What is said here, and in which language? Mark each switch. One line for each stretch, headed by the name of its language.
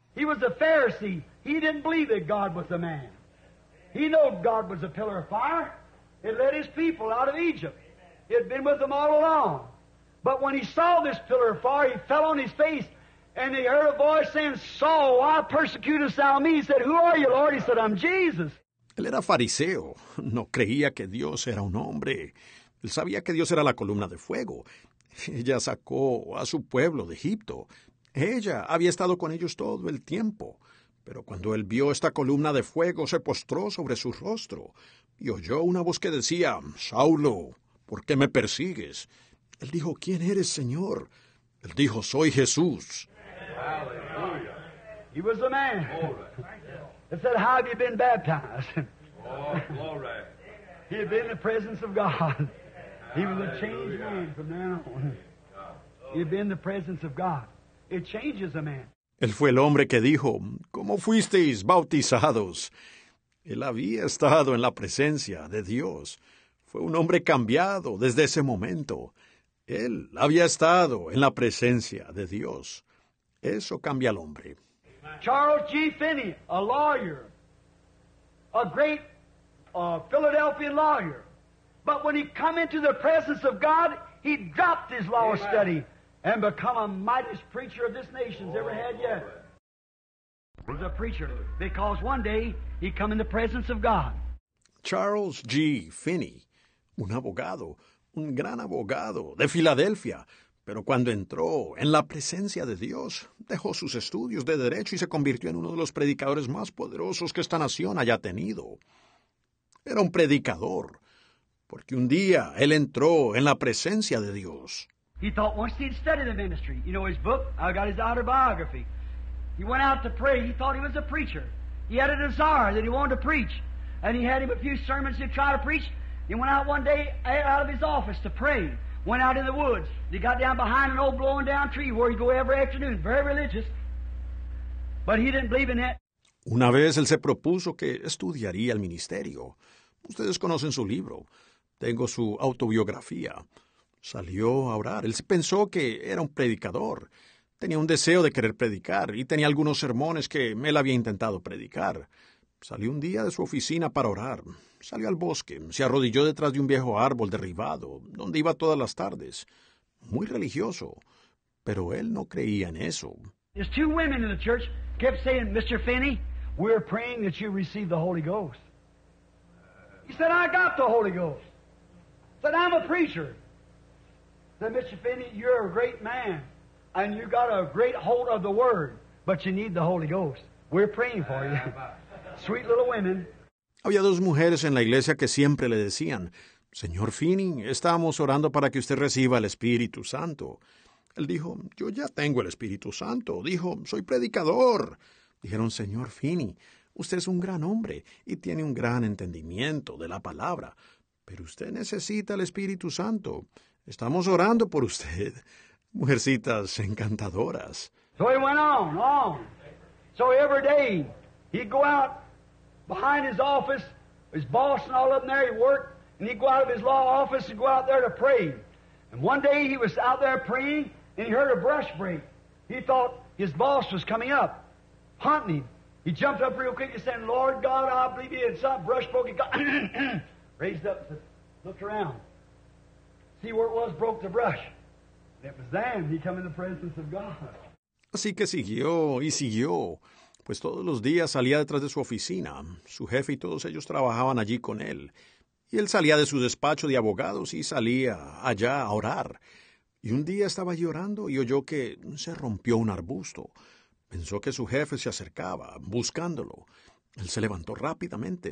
English: He was a Pharisee. He didn't believe that God was a man. He knew God was a pillar of fire. It led his people out of Egypt. It had been with them all along. But when he saw this pillar of fire, he fell on his face, and he heard a voice saying, Saul, why persecutest thou me? He said, Who are you, Lord? He said, I'm Jesus.
Spanish: Él era fariseo. No creía que Dios era un hombre. Él sabía que Dios era la columna de fuego. Ella sacó a su pueblo de Egipto. Ella había estado con ellos todo el tiempo. Pero cuando él vio esta columna de fuego, se postró sobre su rostro y oyó una voz que decía, Saulo, ¿por qué me persigues? Él dijo, ¿quién eres, Señor? Él dijo, soy Jesús.
English: Amen. Hallelujah. He was the man. Glory. They said, how have you been baptized? Oh, glory. He had been in the presence of God. He was a changed man from then on. He had been in the presence of God. It changes a man.
Spanish: Él fue el hombre que dijo, ¿cómo fuisteis bautizados? Él había estado en la presencia de Dios. Fue un hombre cambiado desde ese momento. Él había estado en la presencia de Dios. Eso cambia al hombre.
English: Charles G. Finney, a lawyer, a great Philadelphian lawyer. But when he come into the presence of God, he dropped his law Amen. Study and become a mightiest preacher of this nation's ever had yet. He was a preacher because one day he come in the presence of God.
Spanish: Charles G. Finney, un abogado, un gran abogado de Filadelfia, pero cuando entró en la presencia de Dios, dejó sus estudios de derecho y se convirtió en uno de los predicadores más poderosos que esta nación haya tenido. Era un predicador, porque un día él entró en la presencia de Dios.
English: He thought once he'd study the ministry. You know his book, I got his autobiography. He went out to pray. He thought he was a preacher. He had a desire that he wanted to preach. And he had him a few sermons to try to preach. He went out one day out of his office to pray. Went out in the woods. He got down behind an old blowing down tree where he'd go every afternoon. Very religious. But he didn't believe in it.
Spanish: Una vez él se propuso que estudiaría el ministerio. Ustedes conocen su libro. Tengo su autobiografía. Salió a orar. Él pensó que era un predicador. Tenía un deseo de querer predicar y tenía algunos sermones que él había intentado predicar. Salió un día de su oficina para orar. Salió al bosque. Se arrodilló detrás de un viejo árbol derribado, donde iba todas las tardes. Muy religioso. Pero él no creía en eso.
English: There's two women in the church kept saying, Mr. Finney, we're praying that you receive the Holy Ghost. He said, I got the Holy Ghost. He said, I'm a preacher. Said, Mr. Finney, you're a great man, and you got a great hold of the Word, but you need the Holy Ghost. We're praying for you. Sweet little women.
Spanish: Había dos mujeres en la iglesia que siempre le decían, Señor Finney, estamos orando para que usted reciba el Espíritu Santo. Él dijo, yo ya tengo el Espíritu Santo. Dijo, soy predicador. Dijeron, Señor Finney, usted es un gran hombre y tiene un gran entendimiento de la palabra, pero usted necesita el Espíritu Santo. Estamos orando por usted. Mujercitas encantadoras.
English: So he went on. So every day, he'd go out behind his office, his boss and all of them there, he worked, and he'd go out of his law office and go out there to pray. And one day he was out there praying, and he heard a brush break. He thought his boss was coming up, hunting him. He jumped up real quick and said, Lord God, I believe he had something. Brush broke. He got raised up and looked around. See where it was, broke the brush. And it was then he came in the presence of God.
Spanish: Así que siguió y siguió. Pues todos los días salía detrás de su oficina. Su jefe y todos ellos trabajaban allí con él. Y él salía de su despacho de abogados y salía allá a orar. Y un día estaba allí orando y oyó que se rompió un arbusto. Pensó que su jefe se acercaba, buscándolo. Él se levantó rápidamente.